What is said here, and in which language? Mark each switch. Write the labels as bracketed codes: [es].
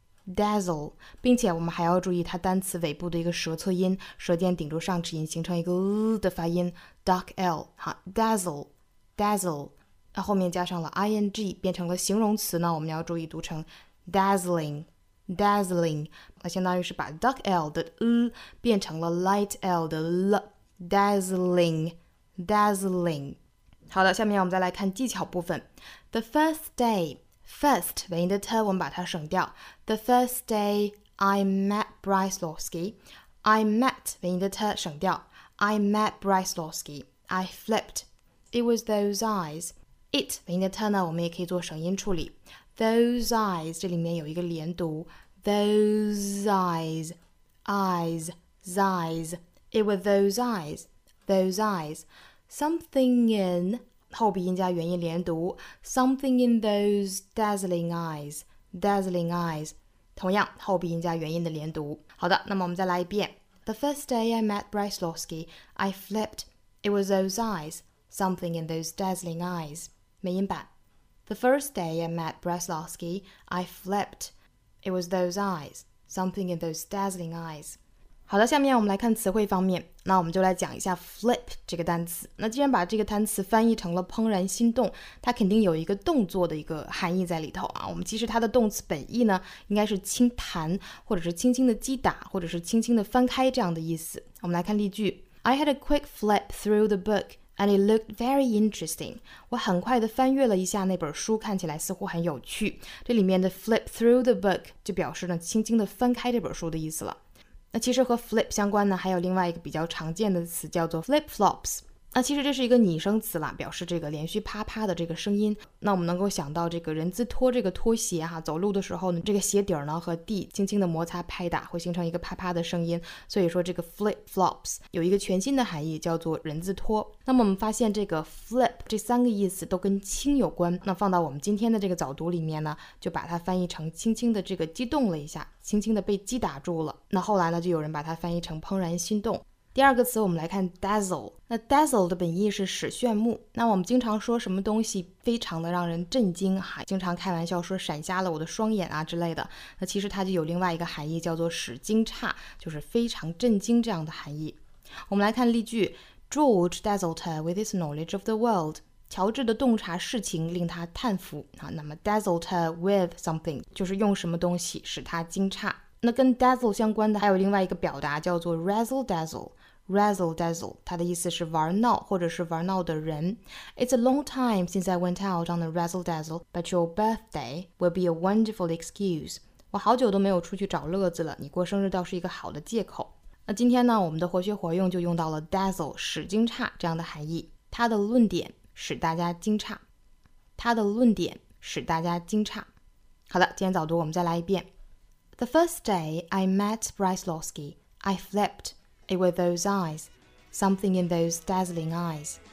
[zh] dazzle， 并且我们还要注意它单词尾部的一个舌侧音，舌尖顶住上齿龈形成一个 的发音 dark l， 好 dazzle， 那后面加上了 ing 变成了形容词呢，我们要注意读成 dazzling， 那相当于是把 dark l 的 变成了 light l 的 l， dazzling。好的，下面我们再来看技巧部分。 [en] The first dayFirst, [zh] 尾音的 t 我们把它省掉。 [en] The first day I met Bryce Lawski, I met, [zh] 尾音的 t 省掉。 [en] I met Bryce Lawski, I flipped. It was those eyes. It, [zh] 尾音的 t 呢，我们也可以做省音处理。 [en] Those eyes, [zh] 这里面有一个连读。 [en] Those eyes, eyes, eyes. It was those eyes, those eyes. Something in... [zh] 后鼻音加元音连读 [en] ，something in those dazzling eyes, dazzling eyes。 [zh] 同样，后鼻音加元音的连读。好的，那么我们再来一遍。 [en] The first day I met Bryce Lawski, I flipped. It was those eyes, something in those dazzling eyes。 [zh] 美音版。 [en] The first day I met Bryce Lawski, I flipped. It was those eyes, something in those dazzling eyes。 [zh] 好的，下面我们来看词汇方面。那我们就来讲一下 flip 这个单词。那既然把这个单词翻译成了怦然心动，它肯定有一个动作的一个含义在里头啊。我们其实它的动词本意呢，应该是轻弹，或者是轻轻的击打，或者是轻轻的翻开这样的意思。我们来看例句 [en] ：I had a quick flip through the book and it looked very interesting。 [zh] 我很快的翻阅了一下那本书，看起来似乎很有趣。这里面的 [en] flip through the book [zh] 就表示呢，轻轻的翻开这本书的意思了。那其实和 flip 相关呢，还有另外一个比较常见的词叫做 flip flops。那其实这是一个拟声词啦，表示这个连续啪啪的这个声音。那我们能够想到这个人字拖这个拖鞋哈，走路的时候呢，这个鞋底呢和地轻轻的摩擦拍打，会形成一个啪啪的声音。所以说这个 flip flops 有一个全新的含义，叫做人字拖。那么我们发现这个 flip 这三个意思都跟轻有关，那放到我们今天的这个早读里面呢，就把它翻译成轻轻的这个激动了一下，轻轻的被击打住了。那后来呢，就有人把它翻译成怦然心动。第二个词我们来看 dazzle， 那 dazzle 的本意是使炫目，那我们经常说什么东西非常的让人震惊哈，经常开玩笑说闪瞎了我的双眼啊之类的，那其实它就有另外一个含义叫做使惊诧，就是非常震惊这样的含义。我们来看例句， [en] George dazzled her with his knowledge of the world， [zh] 乔治的洞察事情令他叹服。那么 [en] dazzled her with something [zh] 就是用什么东西使他惊诧。那跟 dazzle 相关的还有另外一个表达叫做 razzle dazzle， razzle dazzle 它的意思是玩闹或者是玩闹的人。 [en] It's a long time since I went out on a razzle dazzle, but your birthday will be a wonderful excuse. [zh] 我好久都没有出去找乐子了，你过生日倒是一个好的借口。那今天呢，我们的活学活用就用到了 dazzle 使惊诧这样的含义，它的论点使大家惊诧，它的论点使大家惊诧。好的，今天早读我们再来一遍。 [en] The first day I met Brysolowski, I flipped it with those eyes, something in those dazzling eyes.